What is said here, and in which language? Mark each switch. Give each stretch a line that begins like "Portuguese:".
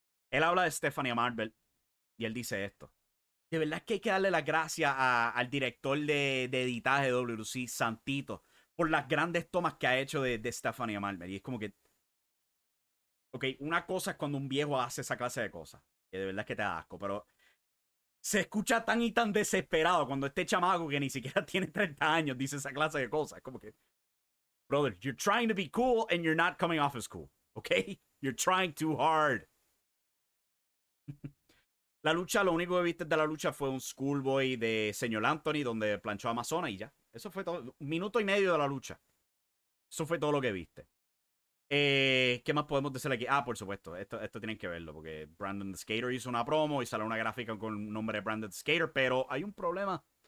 Spanish: Él habla de Stephanie Marvel y él dice esto. De verdad que hay que darle las gracias al director de editaje de WLC, Santito, por las grandes tomas que ha hecho de Stephanie Marvel. Y es como que, ok, una cosa es cuando un viejo hace esa clase de cosas, que de verdad es que te da asco, pero se escucha tan y tan desesperado cuando este chamaco que ni siquiera tiene 30 años dice esa clase de cosas. Como que,
English: brother, you're trying to be cool and you're not coming off as cool, ok? You're trying too hard.
Spanish: La lucha, lo único que viste de la lucha fue un schoolboy de señor Anthony donde planchó a Amazona y ya. Eso fue todo, un minuto y medio de la lucha. Eso fue todo lo que viste. ¿Qué más podemos decir aquí? Ah, por supuesto, esto tienen que verlo, porque Brandon the Skater hizo una promo y sale una gráfica con el nombre de Brandon the Skater, pero hay un problema.